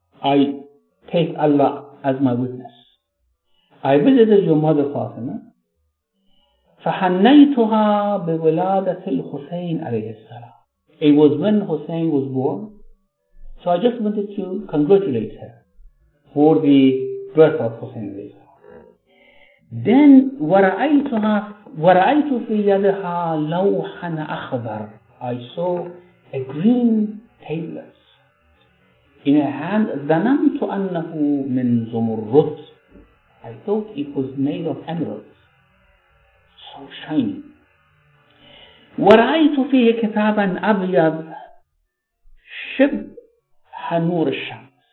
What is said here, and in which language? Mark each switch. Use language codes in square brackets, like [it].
[en] I take Allah as my witness. I visited your mother Fatima. [ar] فَحَنَّيْتُهَا بِوِلَادَةِ الْحُسَيْنِ عَلَيْهِ السَّلَامِ. [en] It was when Hussein was born. So I just wanted to congratulate her for the birth of Hussein alayhi salam. [ar] Then وَرَأَيْتُ فِي يَدِهَا لَوْحًا أَخْضَرَ. [en] I saw a green tablet in her hand. [ar] ظَنَنْتُ أَنَّهُ مِنْ زُمُرُّدٍ. [en] I thought it was made of emeralds. Shining. [ar] ورأيت فيه كتابا أبيض شبه نور الشمس.